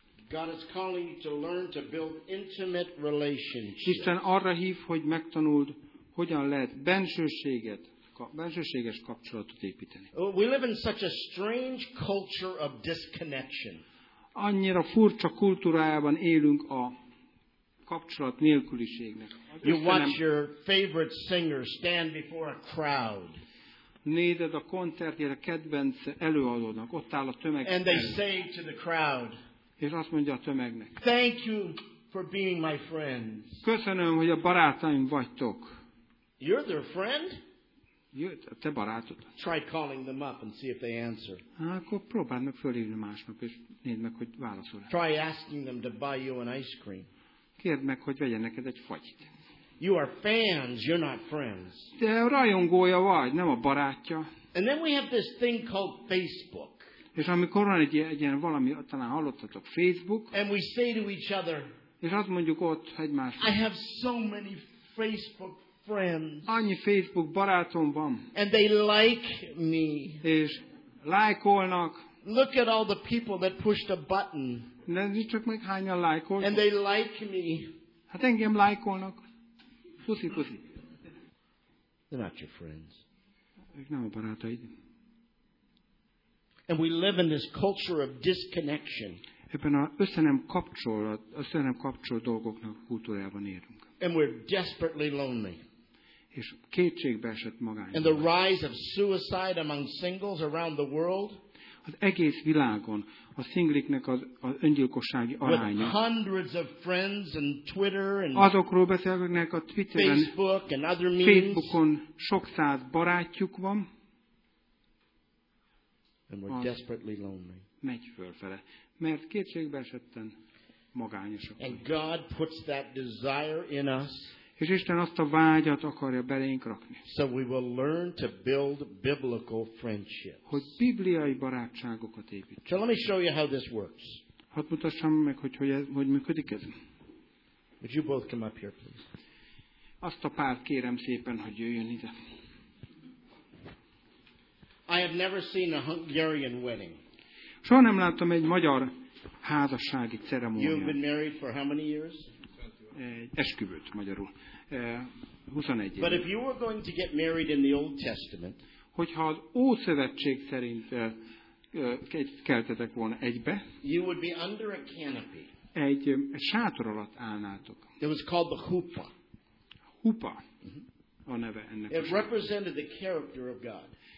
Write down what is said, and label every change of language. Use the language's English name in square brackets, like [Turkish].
[English] God is calling you to learn to build intimate relationships. [Hungarian] Isten arra hív, hogy megtanuld, hogyan lehet bensőséges kapcsolatot építeni. [English] We live in such a strange culture of disconnection. [Hungarian] Annyira furcsa kultúrájában élünk a kapcsolat nélküliségnek. [English] You watch your favorite singer stand before a crowd. [Hungarian] Nézed a koncertjére kedvenc előadónak, ott áll a tömeg. [English] And they say to the crowd, [Hungarian] és azt mondja a tömegnek, [English] thank you for being my friends. [Hungarian] Köszönöm, hogy a barátaim vagytok. [English] You're their friend? [Hungarian] Te barátod. [English] Try calling them up and see if they answer. [Hungarian] Akkor próbáld meg fölhívni másnak, és nézd meg, hogy válaszol. [English] Try asking them to buy you an ice cream. [Hungarian] Kérd meg, hogy vegyen neked egy fagyit. [English] You are fans, you're not friends. [Hungarian] Te rajongója vagy, nem a barátja. [English] And then we have this thing called Facebook. [Hungarian] És amikor van egy ilyen valami, talán hallottatok, Facebook. [English] And we say to each other, [Hungarian] és azt mondjuk ott egymásnak. [English] I have so many Facebook friends. [Hungarian] Annyi Facebook barátom van. [English] And they like me. [Hungarian] És lájkolnak. [English] Look at all the people that pushed a button. [Hungarian] Nézd csak meg, hányan lájkolnak. [English] And they like me. [Hungarian] Hát engem lájkolnak. Puszi. [English] They're not your friends. [Hungarian] Ők nem a barátaid. [English] And we live in this culture of disconnection. [Hungarian] Ebben az összenem kapcsol dolgoknak kultúrában élünk. [English] And we're desperately lonely. [Hungarian] És kétségbe esett magányban. [English] And the rise of suicide among singles around the world. [Hungarian] Az egész világon a szingliknek az öngyilkossági aránya. [English] With hundreds of friends and Twitter and [Hungarian] azokról beszélnek a Twitteren, [English] Facebook and other means. [Hungarian] Facebookon sok száz barátjuk van. [English] And we're desperately lonely. [Hungarian] Megy fölfele, mert kétségbe esetten magányosak. [English] And God puts that desire in us. [Hungarian] És Isten azt a vágyat akarja belénk rakni. [English] So we will learn to build biblical friendships. [Hungarian] Hogy bibliai barátságokat építsünk. [English] So let me show you how this works. [Hungarian] Hadd mutassam meg, hogy működik ez. [English] Would you both come up here, please? [Hungarian] Azt a párt kérem szépen, hogy jöjjön ide. [English] I have never seen a Hungarian wedding. [Hungarian] Soha nem láttam egy magyar házassági ceremóniát. [English] You've been married for how many years? [Hungarian] Esküvőt magyarul. 21 év. [English] But if you were going to get married in the Old Testament, [Hungarian] hogyha az Ószövetség szerint keltetek volna egybe, [English] you would be under a canopy. [Hungarian] Egy sátor alatt állnátok. [English] It was called the chuppah. [Hungarian] Chuppah a neve ennek. [English] It represented the character of God.